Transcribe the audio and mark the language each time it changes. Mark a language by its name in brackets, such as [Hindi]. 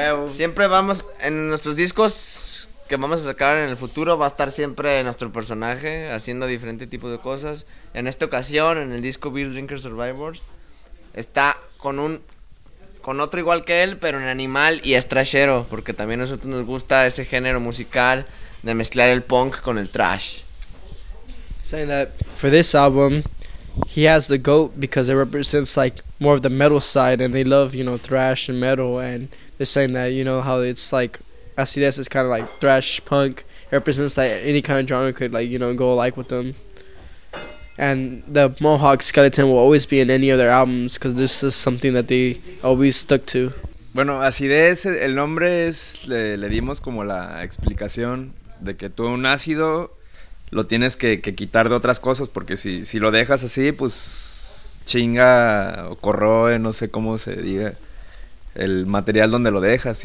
[Spanish] Siempre vamos en nuestros discos que vamos a sacar en el futuro, va a estar siempre nuestro personaje haciendo diferente tipo de cosas. En esta ocasión, en el disco Beer Drinker Survivors, está con un con otro igual que él, pero en animal y es trashero, porque también a nosotros nos gusta ese género musical de mezclar el punk con el trash. [English] Saying that for this album, he has the goat because it represents like more of the metal side, and they love, you know, thrash and metal, and they're saying that, you know, how it's like Acidez is kind of like thrash punk. It represents that any kind of genre could, like, you know, go alike with them. And the mohawk skeleton will always be in any of their albums because this is something that they always stuck to. [Spanish] Bueno, Acidez, el nombre es, le dimos como la explicación de que tú un ácido lo tienes que quitar de otras cosas, porque si lo dejas así, pues chinga o corroe, no sé cómo se diga, el material donde lo dejas.